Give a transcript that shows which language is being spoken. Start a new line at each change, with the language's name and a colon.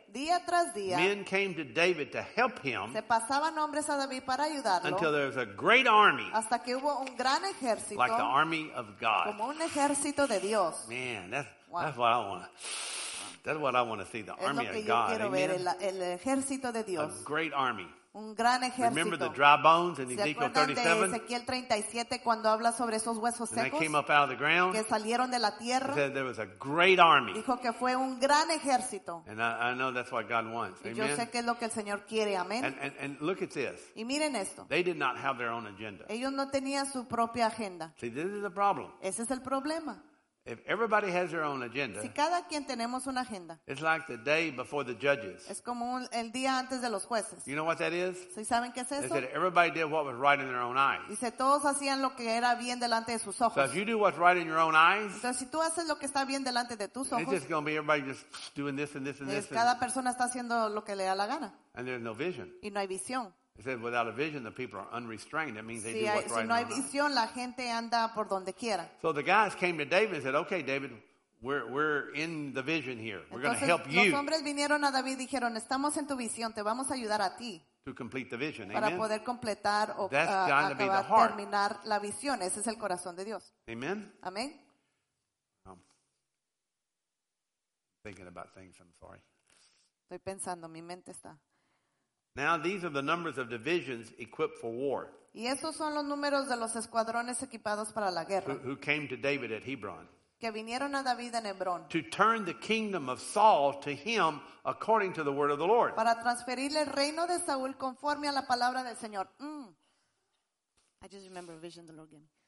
Spanish: Día tras día,
English: men came to David to help him.
Spanish: Se pasaban hombres a David para ayudarlo.
English: Until there was a great army.
Spanish: Hasta que hubo un gran ejército.
English: Like the army of God.
Spanish: Como un ejército de Dios.
English: Man, that's what I want. That's what I want to see. The army of God.
Spanish: Es lo que yo quiero ver, el ejército de Dios.
English: A great army.
Spanish: Un gran ejército.
English: Remember the dry bones in Ezekiel 37?
Spanish: ¿Se acuerdan de Ezequiel 37 cuando habla sobre esos huesos secos?
English: And they came up out of the ground.
Spanish: Que salieron de la tierra.
English: He said there was a great army.
Spanish: Dijo que fue un gran ejército.
English: And I know that's what God wants.
Spanish: Y yo sé que es lo que el Señor quiere. Amén.
English: And look at this.
Spanish: Y miren esto.
English: They did not have their own agenda.
Spanish: Ellos no tenían su propia agenda.
English: See, this is the problem.
Spanish: Ese es el problema.
English: If everybody has their own agenda,
Spanish: si cada quien tenemos una agenda,
English: it's like the day before the judges.
Spanish: Es como el día antes de los jueces.
English: You know what that is?
Spanish: ¿Sí saben qué es eso?
English: They said everybody did what was right in their own eyes.
Spanish: Dice, todos hacían lo que era bien delante de sus ojos.
English: So if you do what's right in your own eyes,
Spanish: entonces, si tú haces lo que está bien delante de tus ojos,
English: it's just going to be everybody just doing this and this and this.
Spanish: Cada persona está haciendo lo que le da la gana.
English: And there's no vision.
Spanish: Y no hay visión.
English: It says without a vision the people are unrestrained. That means they
Spanish: si
English: do what's
Spanish: si
English: right
Spanish: no hay visión, la gente anda por donde quiera.
English: So the guys came to David and said, okay, David, We're in the vision here. We're going to help you.
Spanish: Los hombres vinieron a David y dijeron, estamos en tu visión, te vamos a ayudar a ti.
English: To complete the vision,
Spanish: para amen. Poder completar o acabar, terminar la visión. Ese es el corazón de Dios. Amen. Amen.
English: Thinking about things, I'm sorry.
Spanish: Estoy pensando, mi mente está.
English: Now these are the numbers of divisions equipped for war.
Spanish: Y esos son los números de los escuadrones equipados para la guerra.
English: Who came to David at Hebron?
Spanish: Que vinieron a David en Hebrón.
English: To turn the kingdom of Saul to him according to the word of the Lord.
Spanish: Para transferirle el reino de Saúl conforme a la palabra del Señor.
English: I just remember a vision the Lord gave me.